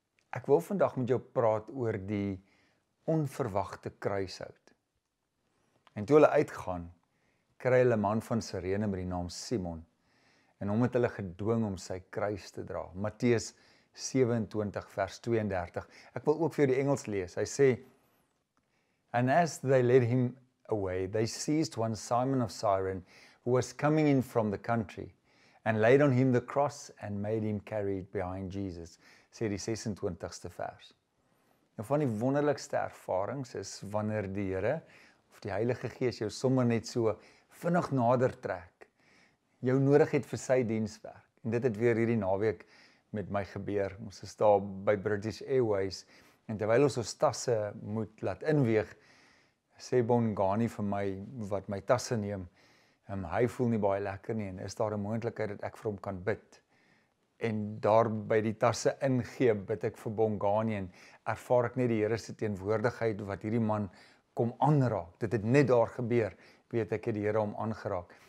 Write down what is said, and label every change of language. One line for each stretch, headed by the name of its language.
Afrikaans: Ek wil vandag met jou praat oor die onverwachte kruishout. En toe hulle uitgaan, kry hulle man van Sirene met die naam Simon, en om het hulle gedwing om sy kruis te dra. Matteus 27 vers 32. Ek wil ook vir die Engels lees. Hy sê,
English: "And as they led him away, they seized one Simon of Cyrene, who was coming in from the country, and laid on him the cross and made him carry it behind Jesus,"
Afrikaans: sê die 26ste vers. Een van die wonderlikste ervarings is wanneer die Here of die Heilige Gees jou sommer net so vinnig nader trek. Jou nodig het vir sy dienswerk. En dit het weer hierdie naweek met my gebeur. Ons is daar by British Airways, en terwyl ons tasse moet laat inweeg, sê Bongani vir my wat my tasse neem, en hy voel nie baie lekker nie, en is daar 'n moontlikheid dat ek vir hom kan bid. En daar by die tasse ingee, bid ek vir Bongani, en ervaar ek net die Here se teenwoordigheid wat hierdie man kom aanraak. Dit het net daar gebeur, weet ek het die Here hom aangeraak.